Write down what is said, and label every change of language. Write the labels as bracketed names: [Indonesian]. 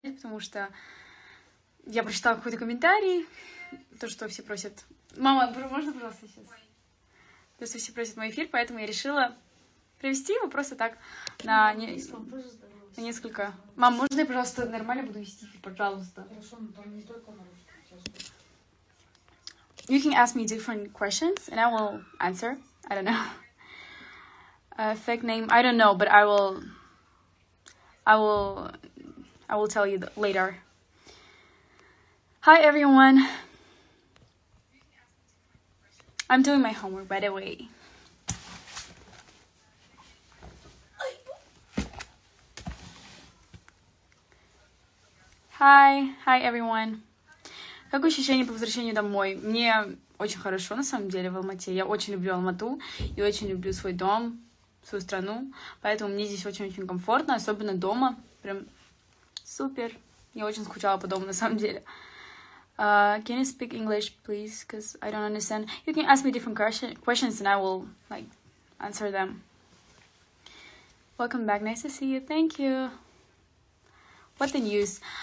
[Russian] потому что я прочитала какой-то комментарий, то, что все просят... Мама, можно, пожалуйста, сейчас? То, что все просят мой эфир, поэтому я решила провести его просто так на несколько... Мам, можно я, пожалуйста, нормально буду вести эфир, пожалуйста? Хорошо, но там не только на русском. [English] You can ask me different questions, and I will answer. I don't know. Fake name, I don't know, but I will tell you later. Hi, everyone. I'm doing my homework, by the way. Hi, everyone. [Russian] Какое ощущение по возвращению домой? Мне очень хорошо, на самом деле, в Алмате. Я очень люблю Алмату и очень люблю свой дом. Свою страну, поэтому мне здесь очень-очень комфортно, особенно дома, прям супер. Я очень скучала по дому, на самом деле. [English] Can you speak English, please, because I don't understand. You can ask me different questions, and I will, like, answer them. Welcome back, nice to see you, thank you. What the news?